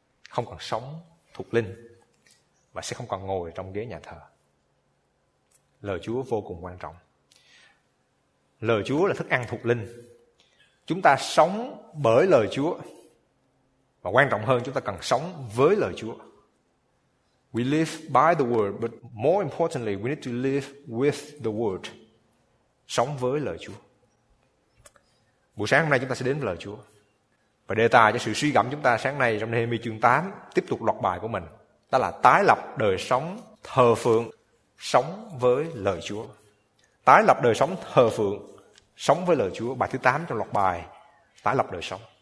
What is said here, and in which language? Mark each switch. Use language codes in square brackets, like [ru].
[vi] Không còn sống thuộc linh, và sẽ không còn ngồi trong ghế nhà thờ. Lời Chúa vô cùng quan trọng. Lời Chúa là thức ăn thuộc linh. Chúng ta sống bởi lời Chúa, và quan trọng hơn, chúng ta cần sống với lời Chúa. [en] We live by the word, but more importantly, we need to live with the word. [vi] Sống với lời Chúa. Buổi sáng hôm nay chúng ta sẽ đến với lời Chúa. Và đề tài cho sự suy gẫm chúng ta sáng nay trong Nehemiah chương 8, tiếp tục loạt bài của mình, đó là tái lập đời sống thờ phượng, sống với lời Chúa. Tái lập đời sống thờ phượng, sống với lời Chúa. Bài thứ 8 trong loạt bài tái lập đời sống.